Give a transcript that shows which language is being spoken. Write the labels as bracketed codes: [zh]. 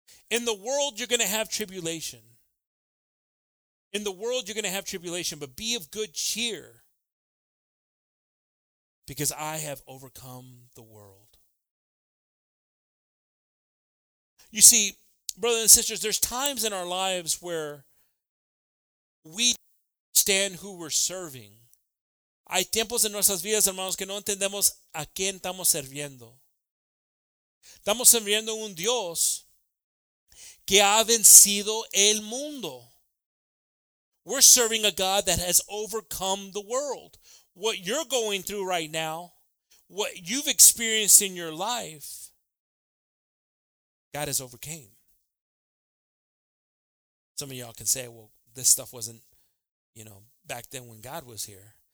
[en] In the world you're going to have tribulation. In the world you're going to have tribulation, but be of good cheer. because I have overcome the world. You see, brothers and sisters, there's times in our lives where we understand who we're serving. [es] Hay tiempos en nuestras vidas, hermanos, que no entendemos a quién estamos sirviendo. Estamos sirviendo un Dios que ha vencido el mundo. [en] We're serving a God that has overcome the world. What you're going through right now, what you've experienced in your life, God has overcame. Some of y'all can say, well, this stuff wasn't, you know, back then when God was here.